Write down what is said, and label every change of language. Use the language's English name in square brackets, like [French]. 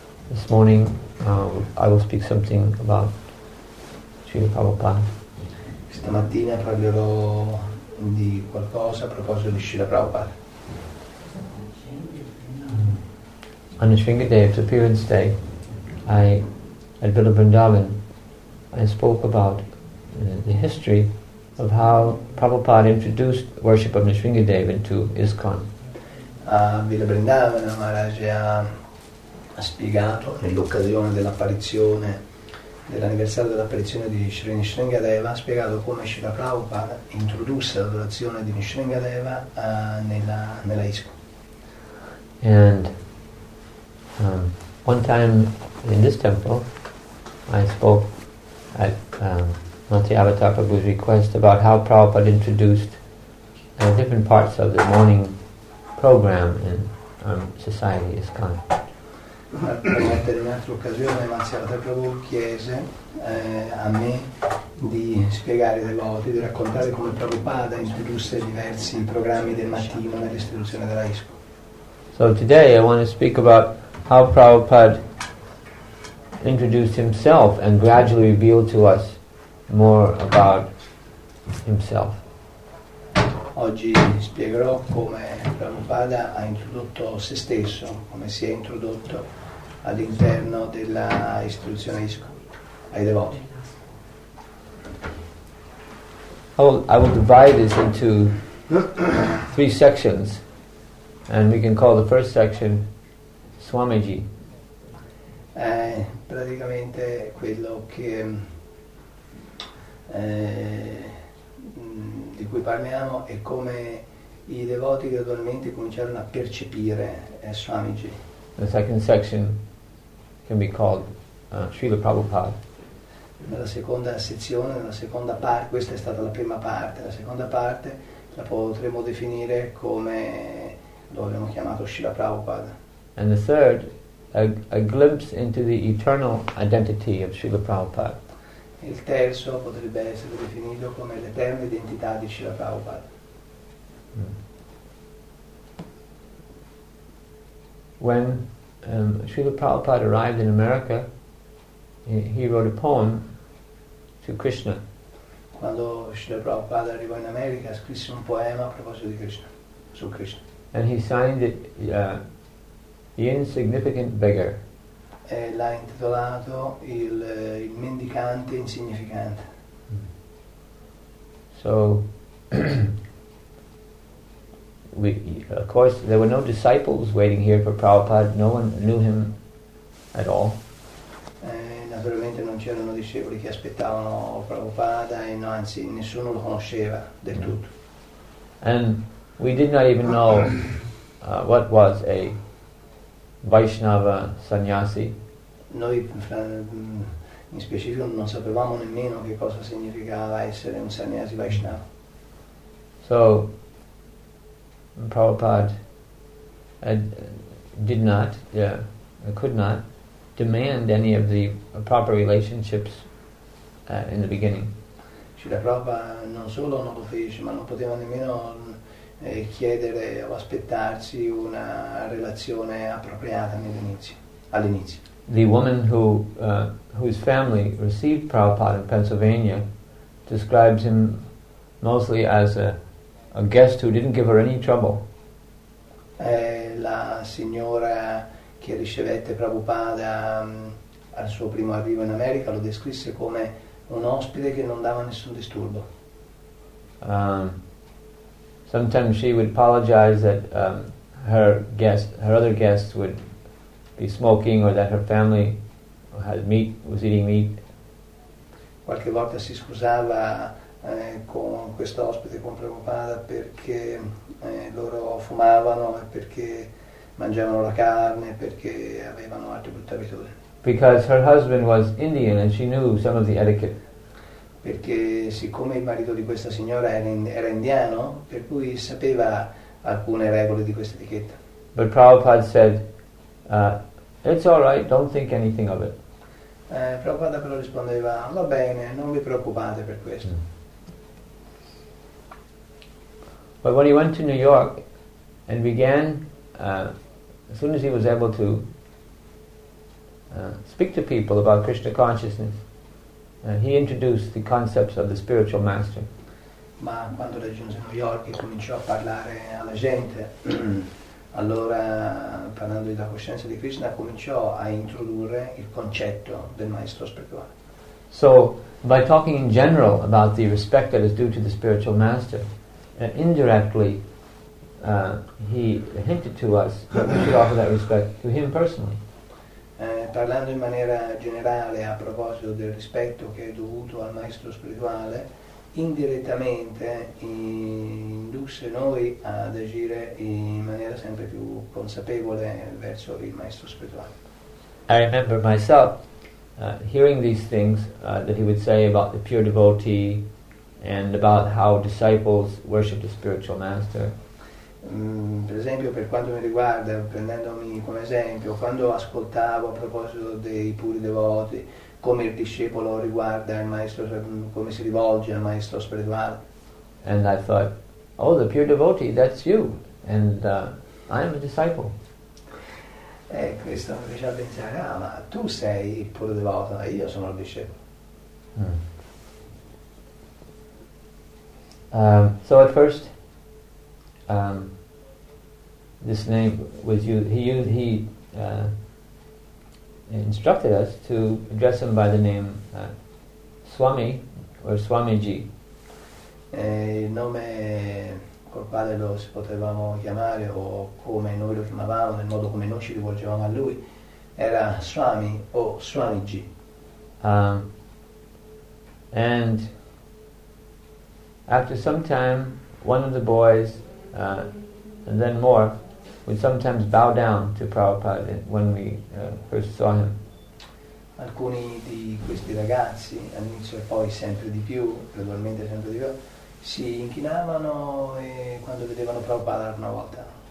[English] This morning I will speak something about Srila Prabhupada. [Italian] Stamattina parlerò di qualcosa a proposito di Srila Prabhupada. [English] On the Shringadev's appearance day, at Villa Vrindavan, I spoke about the history of how Prabhupada introduced worship of Nrisimhadeva into ISKCON. [Italian] A Villa Vrindavan, Maharaj ha spiegato, nell'occasione dell'apparizione, dell'anniversario dell'apparizione di Sri Nrisimhadeva, ha spiegato come Srila Prabhupada introdusse l'adorazione di Nrisimhadeva nella ISKCON. [English] And one time in this temple, I spoke at Mati Avatar Prabhu's request about how Prabhupada introduced different parts of the morning program in society ISKCON. [Italian] In un'altra occasione Mati Avatar Prabhu chiese a me di spiegare le loti, di raccontare come Prabhupada introdusse diversi programmi del mattino nell'istituzione della ISKCON. [English] So today I want to speak about how Prabhupada introduced himself and gradually revealed to us more about himself. [Italian] Oggi spiegherò come Prabhupada ha introdotto se stesso, come si è introdotto all'interno della istituzione ISKCON ai devoti. [English] I will divide this into three sections, and we can call the first section Swamiji. [Italian] Praticamente quello che di cui parliamo è come i devoti gradualmente cominciarono a percepire Swamiji. [English] The second section can be called Srila Prabhupada. [Italian] Nella seconda sezione, nella seconda parte, questa è stata la prima parte, la seconda parte la potremmo definire come lo abbiamo chiamato Srila Prabhupada. [English] And the third, a glimpse into the eternal identity of Srila Prabhupada. [Italian] Il terzo potrebbe essere definito come l'eterna identità di Srila Prabhupada. [English] When Srila Prabhupada arrived in America, he wrote a poem to Krishna. [Italian] Quando Srila Prabhupada arrivò in America, scrisse un poema a proposito di Krishna, su Krishna. [English] And he signed it The Insignificant Beggar. [Italian] L'ha intitolato il mendicante insignificante. [English] So, of course, there were no disciples waiting here for Prabhupada. No one knew him at all. [Italian] Naturalmente non c'erano discepoli che aspettavano Prabhupada, e no, anzi, nessuno lo conosceva del tutto. [English] And we did not even know what was a Vaishnava sannyasi. [Italian] Noi in specifico non sapevamo nemmeno che cosa significava essere un sannyasi Vaishnava. [English] So Prabhupada could not demand any of the proper relationships in the beginning. [Italian] Srila Prabhupada non solo non lo fece, ma non poteva nemmeno chiedere o aspettarsi una relazione appropriata all'inizio. [English] The woman whose family received Prabhupada in Pennsylvania describes him mostly as a guest who didn't give her any trouble. [Italian] La signora che ricevette Prabhupada al suo primo arrivo in America lo descrisse come un ospite che non dava nessun disturbo. [English] Sometimes she would apologize that her other guests would be smoking, or that her family was eating meat. [Italian] Qualche volta si scusava con questo ospite, con Prabhupada, perché loro fumavano e perché mangiavano la carne perché avevano altre brutte abitudini. [English] Because her husband was Indian and she knew some of the etiquette. [Italian] Perché siccome il marito di questa signora era indiano, per cui sapeva alcune regole di questa etichetta. [English] But Prabhupada said, it's all right, don't think anything of it. [Italian] Prabhupada però rispondeva, va bene, non vi preoccupate per questo. Mm. [English] But when he went to New York and began, as soon as he was able to speak to people about Krishna consciousness, he introduced the concepts of the spiritual master. [Italian] Ma quando raggiunse New York e cominciò a parlare alla gente, allora parlando della coscienza di Krishna, cominciò a introdurre il concetto del maestro spirituale. [English] So, by talking in general about the respect that is due to the spiritual master, indirectly, he hinted to us that we should offer that respect to him personally. [Italian] Parlando in maniera generale a proposito del rispetto che è dovuto al maestro spirituale, indirettamente indusse noi ad agire in maniera sempre più consapevole verso il maestro spirituale. [English] I remember myself hearing these things that he would say about the pure devotee and about how disciples worship the spiritual master. [Italian] Per esempio, per quanto mi riguarda, prendendomi come esempio, quando ascoltavo a proposito dei puri devoti, come il discepolo riguarda il maestro, come si rivolge al maestro spirituale. [English] And I thought, oh, the pure devotee, that's you, and I'm a disciple. [Italian] E questo mi fece pensare, ah, ma tu sei il puro devoto, e io sono il discepolo. Hmm. [English] So at first, this name was used. He instructed us to address him by the name Swami or Swamiji. [Italian] Il nome col quale lo si potevamo chiamare o come noi lo chiamavamo, nel modo come noi ci rivolgevamo a lui, era Swami o Swamiji. [English] And after some time, one of the boys, and then more, would sometimes bow down to Prabhupada when we first saw him. [Italian] Alcuni di questi ragazzi, all'inizio e poi sempre di più, gradualmente sempre di più, si inchinavano quando vedevano Prabhupada una volta.